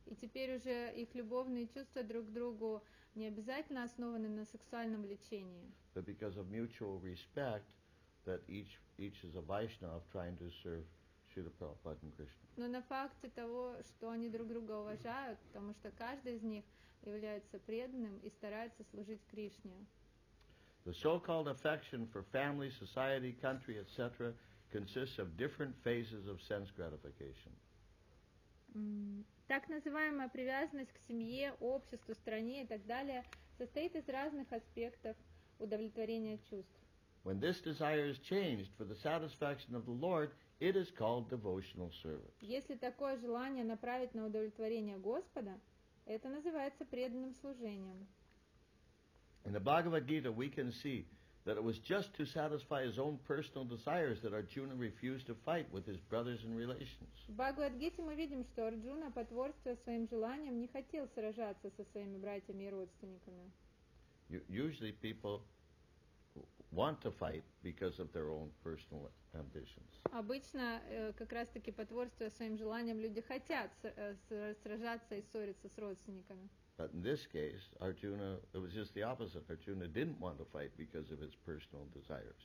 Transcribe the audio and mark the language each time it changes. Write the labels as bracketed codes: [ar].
[ru] И теперь уже их любовные чувства друг к другу не обязательно основаны на сексуальном влечении. [en] But because of mutual respect that each is a Vaishnav trying to serve Srila Prabhupada and Krishna. [ru] Но на факте того, что они друг друга уважают, потому что каждый из них является преданным и старается служить Кришне. [en] The so-called affection for family, society, country, etc. consists of different phases of sense gratification. [ru] Так называемая привязанность к семье, обществу, стране и так далее состоит из разных аспектов удовлетворения чувств. [en] When this desire is changed for the satisfaction of the Lord, it is called devotional service. [ru] Если такое желание направить на удовлетворение Господа, это называется преданным служением. [en] In the Bhagavad Gita, we can see that it was just to satisfy his own personal desires that Arjuna refused to fight with his brothers and relations. [ru] В Бхагавад-гите мы видим, что Арджуна по творству своим желаниям не хотел сражаться со своими братьями и родственниками. [en] Usually people want to fight because of their own personal ambitions. [ru] Обычно как раз-таки по творству своим желаниям люди хотят сражаться и ссориться с родственниками. [en] But in this case, Arjuna, it was just the opposite. Arjuna didn't want to fight because of his personal desires.